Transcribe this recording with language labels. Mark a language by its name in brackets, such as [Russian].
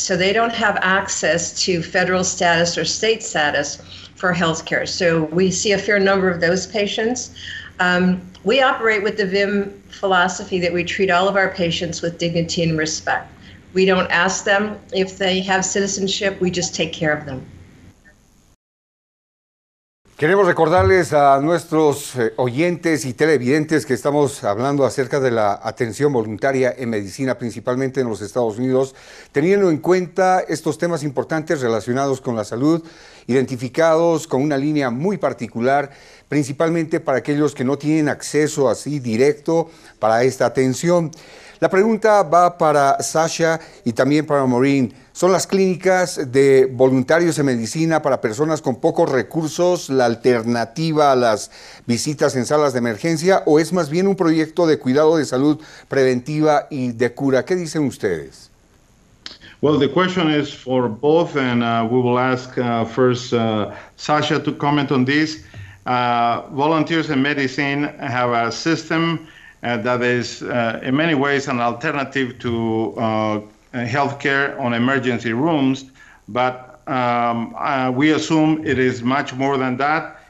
[English] So they don't have access to federal status or state status for healthcare. So we see a fair number of those patients. We operate with the VIM philosophy that we treat all of our patients with dignity and respect. We don't ask them if they have citizenship, we just take care of them. [Spanish] Queremos recordarles a nuestros oyentes y televidentes que estamos hablando acerca de la atención voluntaria en medicina, principalmente en los Estados Unidos, teniendo en cuenta estos temas importantes relacionados con la salud, identificados con una línea muy particular, principalmente para aquellos que no tienen acceso así directo para esta atención. La pregunta va para Sasha y también para Maureen. ¿Son las clínicas de voluntarios en medicina para personas con pocos recursos la alternativa a las visitas en salas de emergencia o es más bien un proyecto de cuidado de salud preventiva y de cura? ¿Qué dicen ustedes? [English] Well, the question is for both, and we will ask first Sasha to comment on this. Volunteers in medicine have a system that is in many ways an alternative to healthcare on emergency rooms, but we assume it is much more than that.